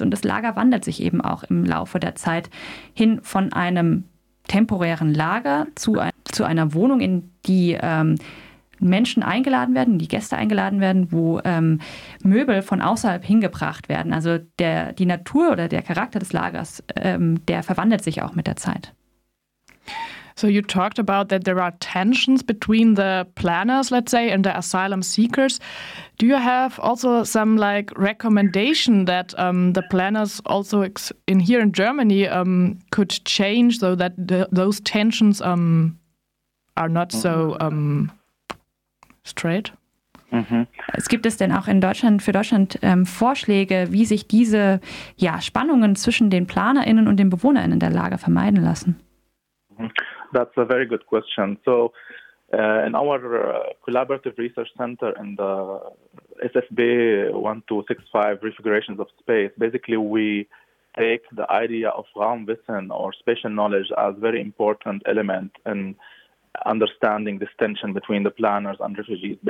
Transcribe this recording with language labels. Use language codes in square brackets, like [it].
[de] Und das Lager wandelt sich eben auch im Laufe der Zeit hin von einem temporären Lager zu einer Wohnung, in die Menschen eingeladen werden, die Gäste eingeladen werden, wo Möbel von außerhalb hingebracht werden. Also die Natur oder der Charakter des Lagers, der verwandelt sich auch mit der Zeit. [en] So you talked about that there are tensions between the planners, let's say, and the asylum seekers. Do you have also some like recommendation that the planners also here in Germany could change so that those tensions are not so... straight. Mhm. [de] Gibt es denn auch in Deutschland für Deutschland Vorschläge, wie sich diese Spannungen zwischen den PlanerInnen und den BewohnerInnen der Lager vermeiden lassen? [en] That's a very good question. So in our collaborative research center in the SFB 1265 Refigurations of Space, basically we take the idea of Raumwissen or spatial knowledge as very important element in understanding this tension between the planners and refugees.